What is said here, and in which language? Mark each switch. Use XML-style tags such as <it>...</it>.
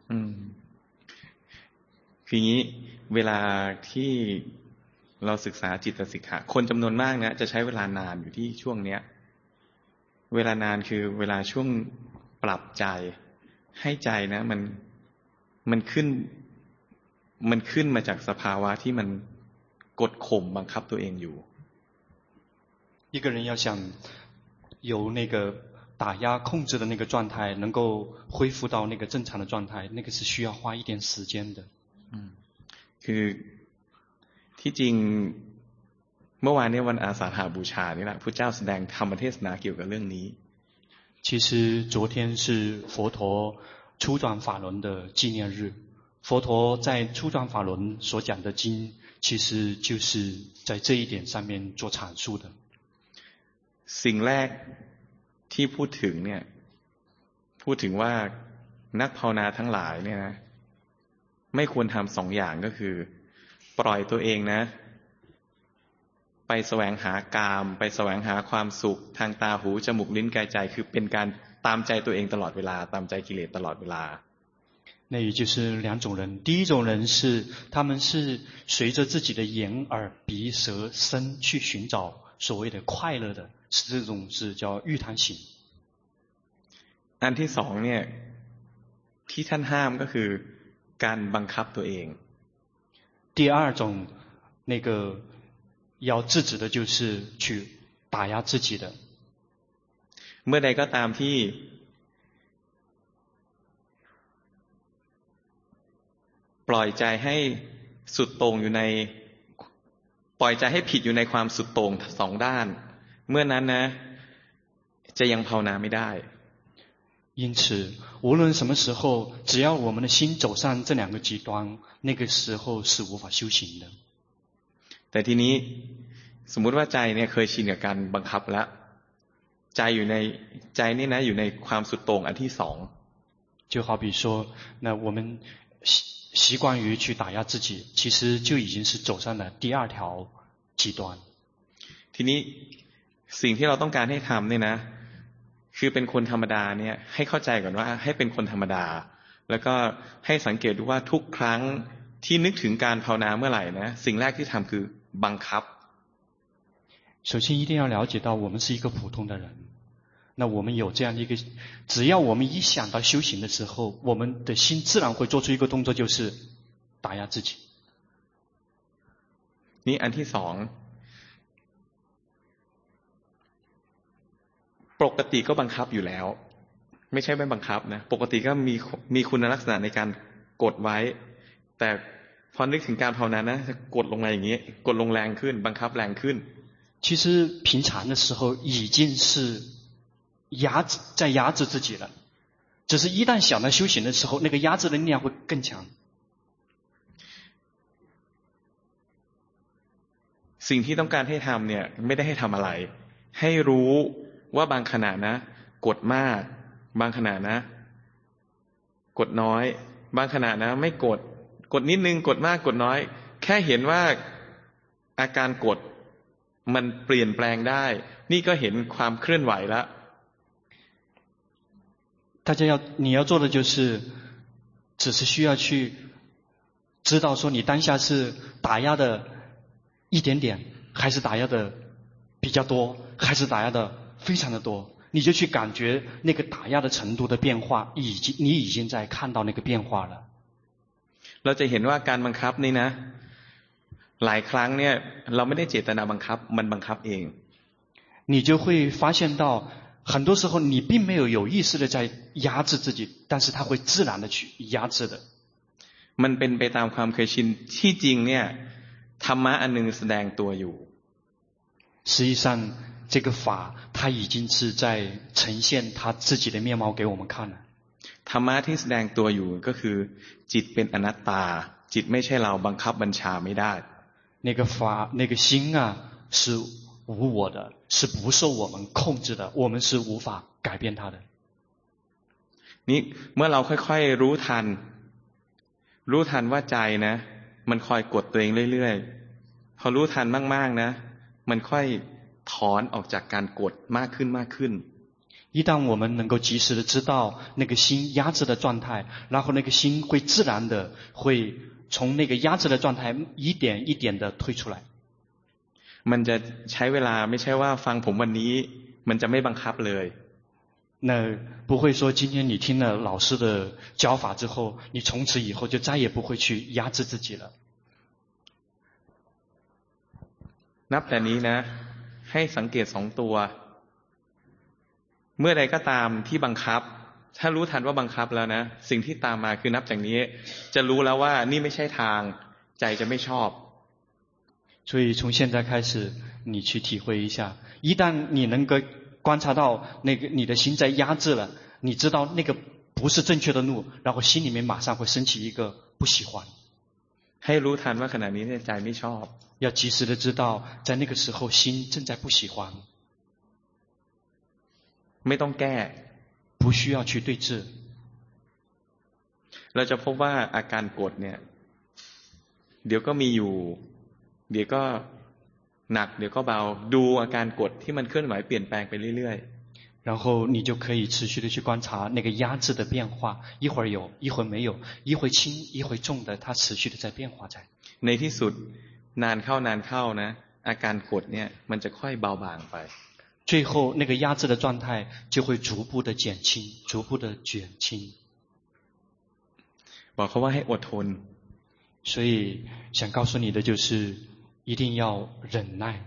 <th>嗯，คืออย่างนี้เวลาที่เราศึกษาจิตสิกขาคนจำนวนมากนะจะใช้เวลานานอยู่ที่ช่วงเนี้ยเวลานานคือเวลาช่วงปรับใจให้ใจนะมันขึ้นมันขึ้นมาจากสภาวะที่มันกดข่มบังคับตัวเองอยู่</th> <zh>一个人要想由那个打压控制的那个状态能够恢复到那个正常的状态，那个是需要花一点时间的。</zh> <th>嗯，คือที่จริงเมื่อวานนี้วันอาสาฬหบูชานี่แหละพุทธเจ้าแสดงธรรมเทศนาเกี่ยวกับเรื่องนี้。</th> <zh>其实昨天是佛陀初转法轮的纪念日，佛陀在初转法轮所讲的经，其实就是在这一点上面做阐述的。</zh> <th>สิ่งแรกที่พูดถึงเนี่ยพูดถึงว่านักภาวนาทั้งหลายเนี่ยนะไม่ควรทำสองอย่างก็คือปล่อยตัวเองนะไปแสวงหากามไปแสวงหาความสุขทางตาหูจมูกลิ้นกายใจคือเป็นการตามใจตัวเองตลอดเวลาตามใจกิเลสตลอดเวลา</th> <zh>那也就是两种人，第一种人是他们是随着自己的眼耳鼻舌身去寻找所谓的快乐的，是这种是叫欲贪型。</zh> <th>อันที่สองเนี่ยที่ท่านห้ามก็คือการบังคับตัวเอง。</th> <zh>第二种那个要制止的就是去打压自己的。</zh> <th>เมื่อใดก็ตามที่ปล่อยใจให้สุดโต่งอยู่ในปล่อยใจให้ผิดอยู่ในความสุดโต่งสองด้านเมื่อนั้นนะจะยังภาวนาไม่ได้</th> <zh>因此无论什么时候只要我们的心走上这两个极端那个时候是无法修行的</zh> <th>แต่ทีนี้สมมติว่าใจเนี่ยเคยชินกับการบังคับแล้วใจอยู่ในใจนี่นะอยู่ในความสุดโต่งอันที่สอง</th> <zh>就好比说那我们习惯于去打压自己，其实就已经是走上了第二条极端。</zh> <th>ทีนี้สิ่งที่เราต้องการให้ทำเนี่ยนะคือเป็นคนธรรมดาเนี่ยให้เข้าใจก่อนว่าให้เป็นคนธรรมดาแล้วก็ให้สังเกตดูว่าทุกครั้งที่นึกถึงการภาวนาเมื่อไหร่นะสิ่งแรกที่ทำคือบังคับ</th> <zh>首先一定要了解到我们是一个普通的人那我们有这样的一个，只要我们一想到修行的时候，我们的心自然会做出一个动作，就是打压自己。你安提爽，</zh> <th>ปกติก็บังคับอยู่แล้ว，ไม่ใช่ไม่บังคับนะ。ปกติก็มีคุณลักษณะในการกดไว้，แต่พอนึกถึงการภาวนานะ，จะกดลงมาอย่างนี้，กดลงแรงขึ้น，บังคับแรงขึ้น。</th> <zh>其实平常的时候已经是。压制在压制自己了，只是一旦想到修行的时候，那个压制的力量会更强。</zh> <th>สิ่งที่ต้องการให้ทำเนี่ยไม่ได้ให้ทำอะไรให้รู้ว่าบางขณะนะกดมากบางขณะนะกดน้อยบางขณะนะไม่กดกดนิดนึงกดมากกดน้อยแค่เห็นว่าอาการกดมันเปลี่ยนแปลงได้นี่ก็เห็นความเคลื่อนไหวแล้ว</th> <zh>大家要你要做的就是只是需要去知道说你当下是打压的一点点还是打压的比较多还是打压的非常的多你就去感觉那个打压的程度的变化已经你已经在看到那个变化了</zh> <th>เราจะเห็นว่าการบังคับนี่นะหลายครั้งเนี่ยเราไม่ได้เจตนาบังคับมันบังคับเอง</th> <zh>你就会发现到很多时候你并没有有意识的在压制自己但是它会自然的去压制的</zh> <th>มันเป็นไปตามความเคยชินที่จริงเนี่ยธรรมะอันนึงแสดงตัวอยู่</th> <zh>实际上这个法它已经是在呈现它自己的面貌给我们看了</zh> <th>ธรรมะที่แสดงตัวอยู่ก็คือจิตเป็นอนัตตาจิตไม่ใช่เราบังคับบัญชาไม่ได้</th> <zh>那个法那个心啊是无我的是不受我们控制的我们是无法改变它的</zh> <th>นี่เมื่อเราค่อยๆรู้ทันว่าใจนะมันคอยกดตัวเองเรื่อยๆพอรู้ทันมากๆนะมันค่อยถอนออกจากการกดมากขึ้นมากขึ้น</th> <zh>一旦我们能够及时的知道那个心压制的状态然后那个心会自然的会从那个压制的状态一点一点的退出来</zh> <th>มันจะใช้เวลาไม่ใช่ว่าฟังผมวันนี้มันจะไม่บังคับเลย</th> <zh>那不会说今天你听了老师的教法之后你从此以后就再也不会去压制自己了</zh> <th>นับแต่นี้นะให้สังเกตสองตัวเมื่อใดก็ตามที่บังคับถ้ารู้ทันว่าบังคับแล้วนะสิ่งที่ตามมาคือนับจากนี้จะรู้แล้วว่านี่ไม่ใช่ทางใจจะไม่ชอบ</th> <zh>所以从现在开始你去体会一下一旦你能够观察到那个你的心在压制了你知道那个不是正确的路然后心里面马上会升起一个不喜欢</zh> <th>ให้รู้ทันว่าขณะนี้ใจไม่ชอบ</th> <zh>要及时的知道在那个时候心正在不喜欢</zh> <th>ไม่ต้องแก้</th> <zh>不需要去对治</zh> <th>เราจะพบว่าอาการโกรธเนี่ยเดี๋ยวก็มีอยู่เดี๋ยวก็หนักเดี๋ยวก็เบาดูอาการโกรธที่มันเคลื่อนไหวเปลี่ยนแปลงไปเรื่อย</th> <zh>ๆ然后你就可以持续的去观察那个压制的变化一会儿有一会儿没有一会儿轻一会儿重的它持续的在变化在</zh> <th>ในที่สุดนานเข้านะอาการโกรธเนี่ยมันจะค่อยเบาบางไป</th> <zh>最后那个压制的状态就会逐步的减轻逐步的减轻</zh> <th>บอกเขาว่าให้อดทน</th> <zh>所以想告诉你的就是一定要忍耐</zh>